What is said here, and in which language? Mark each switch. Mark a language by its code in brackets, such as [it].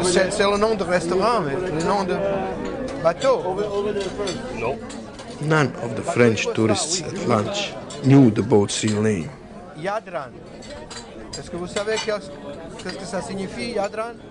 [fr] C'est le nom de restaurant, mais le nom de bateau. [en] No. None of the French tourists at lunch knew the boat's real name. Jadran. [fr] Est-ce que vous savez qu'est-ce que ça signifie, Jadran?